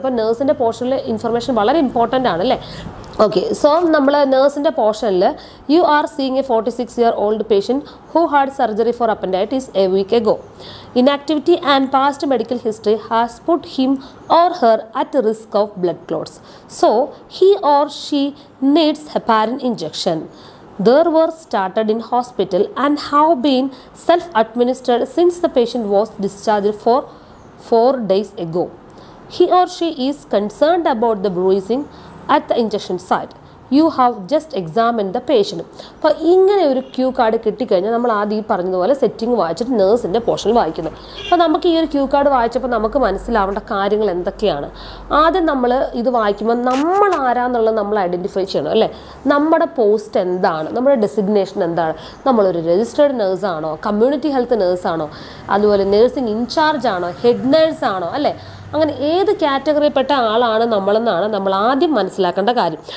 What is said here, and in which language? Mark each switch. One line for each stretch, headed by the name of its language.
Malayalam: അപ്പോൾ നേഴ്സിൻ്റെ പോർഷനിൽ ഇൻഫർമേഷൻ വളരെ ഇമ്പോർട്ടൻ്റ് ആണ് അല്ലേ. ഓക്കെ, സോ നമ്മൾ നേഴ്സിൻ്റെ പോർഷനിൽ
English: You are seeing a 46-year-old patient who had surgery for appendicitis a week ago. Inactivity and past medical history has put him or her at risk of blood clots. So he or she needs heparin injection. There were started in hospital and have been self-administered since the patient was discharged for 4 days ago. He or she is concerned about the bruising at the injection site. You have just examined the patient.
Malayalam: അപ്പോൾ ഇങ്ങനെ ഒരു Q card കിട്ടിക്കഴിഞ്ഞാൽ നമ്മൾ ആദ്യം ഈ പറഞ്ഞതുപോലെ setting വായിച്ചിട്ട് നേഴ്സിൻ്റെ portion വായിക്കുന്നു. അപ്പോൾ നമുക്ക് ഈ ഒരു ക്യൂ കാർഡ് വായിച്ചപ്പോൾ നമുക്ക് മനസ്സിലാവേണ്ട കാര്യങ്ങൾ എന്തൊക്കെയാണ്, ആദ്യം നമ്മൾ ഇത് വായിക്കുമ്പോൾ നമ്മൾ ആരാന്നുള്ളത് നമ്മൾ ഐഡൻറ്റിഫൈ ചെയ്യണം അല്ലേ. നമ്മുടെ പോസ്റ്റ് എന്താണ്, നമ്മുടെ ഡെസിഗ്നേഷൻ എന്താണ്, നമ്മളൊരു രജിസ്റ്റേർഡ് നേഴ്സാണോ, കമ്മ്യൂണിറ്റി ഹെൽത്ത് നേഴ്സാണോ, അതുപോലെ നേഴ്സിംഗ് ഇൻചാർജ് ആണോ, ഹെഡ് നേഴ്സാണോ, അല്ലേ, അങ്ങനെ ഏത് കാറ്റഗറിയിൽപ്പെട്ട ആളാണ് നമ്മളെന്നാണ് നമ്മൾ ആദ്യം മനസ്സിലാക്കേണ്ട കാര്യം.